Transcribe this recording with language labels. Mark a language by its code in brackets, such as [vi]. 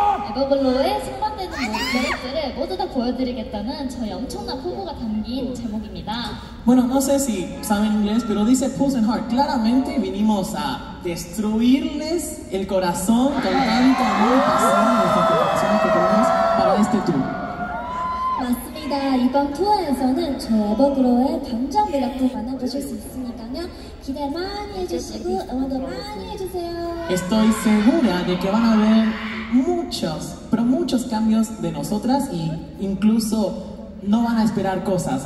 [ko] 에버글로우의 승반되는 모든 캐릭터를 모두 다 보여드리겠다는 저의 엄청난 포부가 담긴 제목입니다. [es] Bueno, no sé si saben inglés, pero dice Pulse and Heart. Claramente vinimos a destruirles el corazón con tanta pasión que tenemos para este tour. [ko] 맞습니다. 이번 투어에서는 저 에버글로우의 감정 매력도 만나보실 수 있으니까요. 기대 많이 해주시고 응원도 많이 해주세요. [es] Estoy segura de que van a ver muchos, pero muchos cambios de nosotras e incluso no van a esperar cosas.